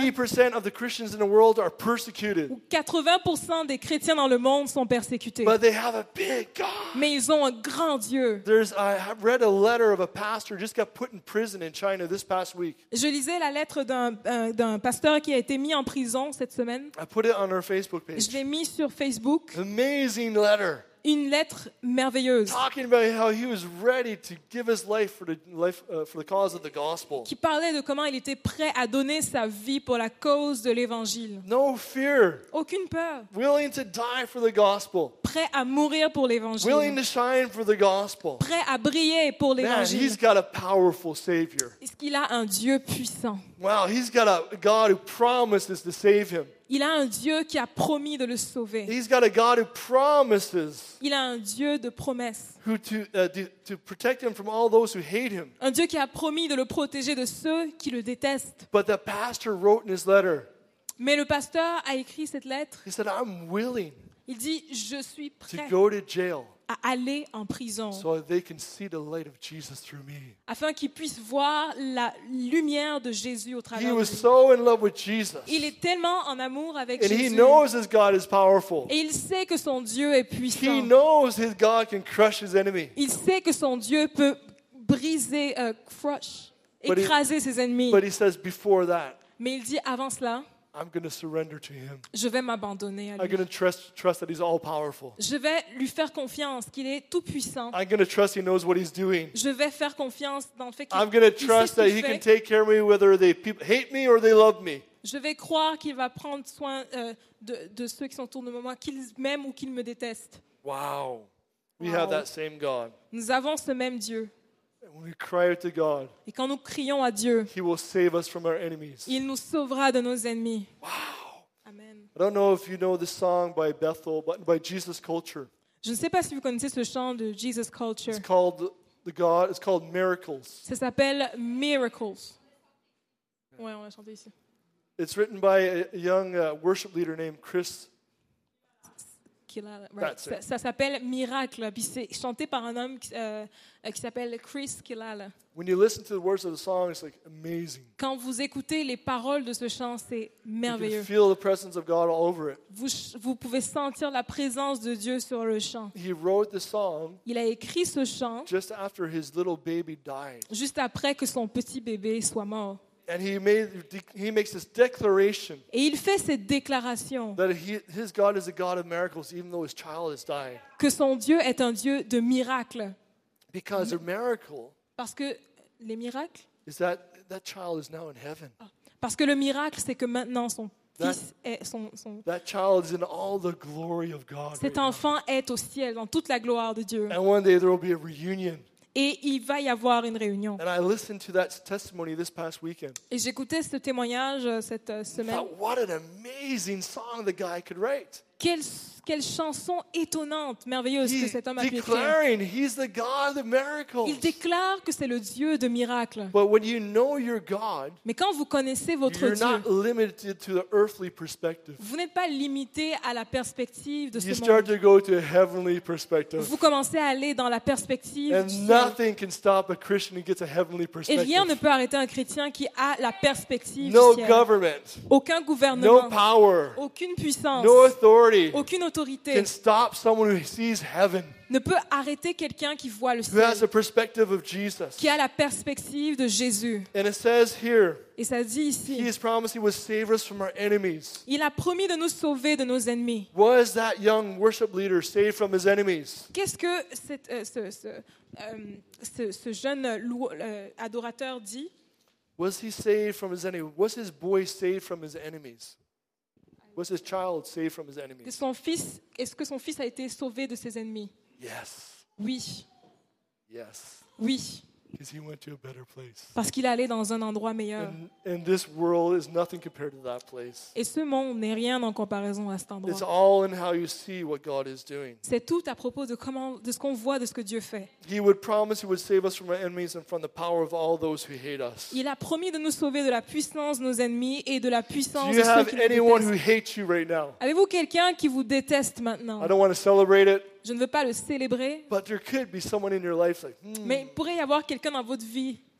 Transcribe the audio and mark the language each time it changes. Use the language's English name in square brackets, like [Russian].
[English] 80% of the Christians in the world are persecuted. [French] Où 80% des chrétiens dans le monde sont persécutés. [English] But they have a big God. [French] Mais ils ont un grand Dieu. [English] I've read a letter of a pastor just got put in prison in China this past week. [French] Je lisais la lettre d'un pasteur qui a été mis en prison cette semaine. [English] I put it on our Facebook page. [French] Je l'ai mis sur Facebook. [English] Amazing letter. [French] Une lettre merveilleuse. [English] Talking about how he was ready to give his life for the cause of the gospel. [French] Qui parlait de comment il était prêt à donner sa vie pour la cause de l'évangile. [English] No fear. [French] Aucune peur. [English] Willing to die for the gospel. [French] Prêt à mourir pour l'évangile. [English] Willing to shine for the gospel. [French] Prêt à briller pour l'évangile. [English] Man, he's got a powerful Savior. [French] Est-ce qu'il a un Dieu puissant? [English] Wow, he's got a God who promises to save him. [French] Il a un Dieu qui a promis de le sauver. [English] He's got a God who promises. [French] Il a un Dieu de promesses. [English] Who to protect him from all those who hate him. [French] Un Dieu qui a promis de le protéger de ceux qui le détestent. [English] But the pastor wrote in his letter. [French] Mais le pasteur a écrit cette lettre. [English] He said, "I'm willing." [French] Il dit, je suis prêt. [English] To go to jail. [French] À aller en prison. [English] So they can see the light of Jesus through me. [French] Afin qu'ils puissent voir la lumière de Jésus au travers de lui. [English] He was so in love with Jesus. [French] Il est tellement en amour avec [English] and [French] Jésus. [English] He knows his God is powerful. [French] Et il sait que son Dieu est puissant. [English] He knows his God can crush his enemy. [French] Il sait que son Dieu peut briser, écraser ses ennemis. [English] But he says before that. [French] Mais il dit avant cela. [English] I'm going to surrender to him. [French] Je vais m'abandonner à lui. [English] I'm going to trust that he's all powerful. [French] Je vais lui faire confiance qu'il est tout puissant. [English] I'm going to trust he knows what he's doing. [French] Je vais faire confiance dans le fait qu'il sait ce qu'il fait. [English] I'm going to trust that he can take care of me whether they people hate me or they love me. [French] Je vais croire qu'il va prendre soin de ceux qui sont autour de moi, qu'ils m'aiment ou qu'ils me détestent. [English] Wow. We have that same God. [French] Nous avons ce même Dieu. [English] When we cry out to God, [French] et quand nous crions à Dieu, [English] he will save us from our enemies. [French] Il nous sauvera de nos ennemis. [English] Wow. Amen. I don't know if you know the song by Bethel, but by Jesus Culture. [French] Je ne sais pas si vous connaissez ce chant de Jesus Culture. [English] It's called the God. It's called Miracles. [French] Ça s'appelle Miracles. Yeah. Ouais, on va chanter ici. [English] It's written by a young worship leader named Chris. Right. [French] Ça s'appelle Miracle, puis c'est chanté par un homme qui s'appelle Chris Kilala. [English] When you listen to the words of the song, it's like amazing. [French] Quand vous écoutez les paroles de ce chant, c'est merveilleux. [English] You can feel the presence of God all over it. [French] Vous pouvez sentir la présence de Dieu sur le chant. [English] He wrote the song. [French] Il a écrit ce chant. [English] Just after his little baby died. [French] Juste après que son petit bébé soit mort. [English] And he makes this declaration. [French] Et il fait cette déclaration. [English] That his God is a God of miracles, even though his child is dying. [French] Que son Dieu est un Dieu de miracles. [English] Because a miracle. [French] Parce que les miracles. [English] Is that child is now in heaven. [French] Parce que le miracle, c'est que maintenant son [English] That child is in all the glory of God. [French] Cet [English] right [French] enfant [English] now. [French] Est au ciel dans toute la gloire de Dieu. [English] And one day there will be a reunion. [French] Et il va y avoir une réunion. [English] And I listened to that testimony this past weekend. [French] Et j'écoutais ce témoignage cette semaine. [English] Thought, what an amazing song the guy could write. [French] Quelle chanson étonnante, merveilleuse [English] he's [French] que cet homme a [English] declaring, [French] pu faire. [English] He's the God of miracles. [French] Il déclare que c'est le Dieu de miracles. [English] But when you know your God, [French] mais quand vous connaissez votre [English] you're [French] Dieu, [English] not limited to the earthly perspective. [French] Vous n'êtes pas limité à la perspective de [English] you start [French] monde. [English] To go to a heavenly perspective. [French] Vous commencez à aller dans la perspective [English] and [French] du [English] nothing [French] ciel. [English] Can stop a Christian who gets a heavenly perspective. [French] Et rien ne peut arrêter un chrétien qui a la perspective [English] no [French] du ciel. [English] Government, [French] aucun gouvernement, [English] no power, [French] aucune puissance, [English] no authority. [French] Aucune autorité [English] can stop someone who sees heaven, [French] ne peut arrêter quelqu'un qui voit le [English] who [French] ciel [English] has a perspective of Jesus. [French] Qui a la perspective de Jésus. [English] And it says here, [French] et ça dit ici, [English] he has promised he will save us from our enemies. [French] Il a promis de nous sauver de nos ennemis. [English] Was that young worship leader saved from his enemies? [French] Qu'est-ce que ce jeune adorateur dit? [English] Was he saved from his enemies? Was his boy saved from his enemies? Was his child saved from his enemies? [French] Son fils, est-ce que son fils a été sauvé de ses ennemis? [English] Yes. [French] Oui. [English] Yes. [French] Oui. [English] Because he went to a better place. [French] Parce qu'il allait dans un endroit meilleur. [English] And this world is nothing compared to that place. [French] Et ce monde n'est rien en comparaison à cet endroit. [English] It's all in how you see what God is doing. [French] C'est tout à propos de comment, de ce qu'on voit, de ce que Dieu fait. [English] He would promise he would save us from our enemies and from the power of all those who hate us. [French] Il a promis de nous sauver de la puissance de nos ennemis et de la puissance de ceux qui nous détestent. [English] Do you have anyone who hates you right now? [French] Avez-vous quelqu'un qui vous déteste maintenant? [English] I don't want to celebrate it. [French] Je ne veux pas le célébrer. [English] But there could be someone in your life like, [French] mais il pourrait y avoir quelqu'un dans votre vie.